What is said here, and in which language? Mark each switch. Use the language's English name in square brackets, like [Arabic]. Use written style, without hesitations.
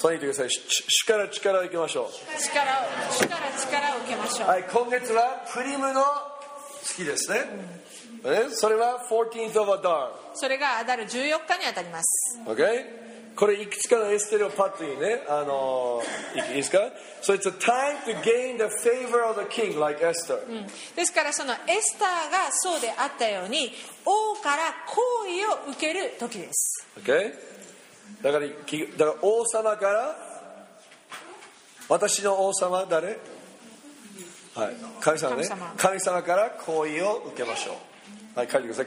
[Japanese] とにかく主から力を受けましょう。主から力を受けましょう。はい、今月はプリムの月ですね。それは [English] 14th of Adar。 [Japanese] それがアダル14日にあたります、 [English] okay? [Japanese] これいくつかのエステルをパッとね、いいですか。 [English] So it's a time to gain the favor of the king, like Esther. [Japanese] ですからそのエスターがそうであったように王から好意を受ける時です。 [English] Okay? [Japanese] だから王様から、私の王様は誰？はい、神様ね。神様から好意を受けましょう。はい、書いてください。